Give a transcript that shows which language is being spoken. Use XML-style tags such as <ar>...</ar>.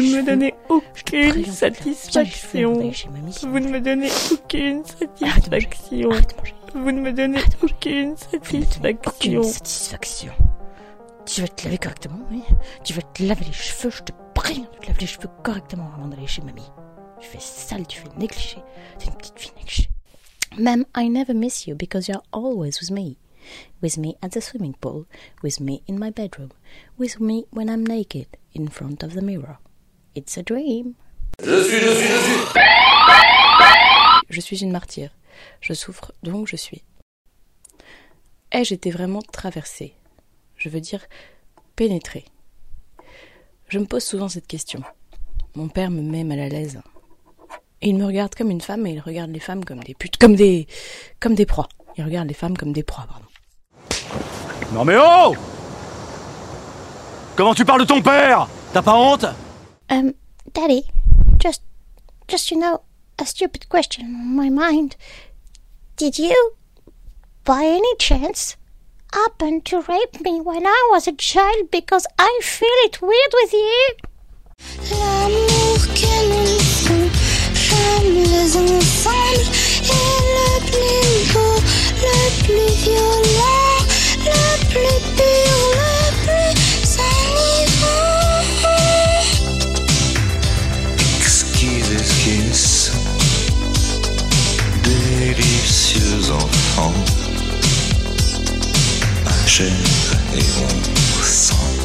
<fr>Vous ne me donnez aucune satisfaction. Vous ne me donnez aucune satisfaction. Vous ne me donnez aucune satisfaction. Aucune satisfaction. Tu vas te laver correctement, oui. Tu vas te laver les cheveux, je te préviens, tu te laves les cheveux correctement avant d'aller chez mamie. Tu fais sale, tu fais négligé. T'es une petite fille négligée.</fr> <en>Ma'am, I never miss you because you're always with me at the swimming pool, with me in my bedroom, with me when I'm naked in front of the mirror. It's a dream.</en> <fr>Je suis une martyre. Je souffre, donc je suis. Ai-je été vraiment traversée? Je veux dire pénétrée. Je me pose souvent cette question. Mon père me met mal à l'aise. Il me regarde comme une femme et il regarde les femmes comme des putes, comme des proies. Il regarde les femmes comme des proies, pardon. Non mais oh ! Comment tu parles de ton père ? T'as pas honte ?</fr> <en>Daddy, just you know, a stupid question on my mind. Did you, by any chance, happen to rape me when I was a child because I feel it weird with you ?</en> <fr>L'amour qu'elle nous fait. Les enfants et le plus beau, le plus violent, le plus pur, le plus enivrant. Exquises esquisses, délicieux enfants, ma chair et mon sang.</fr>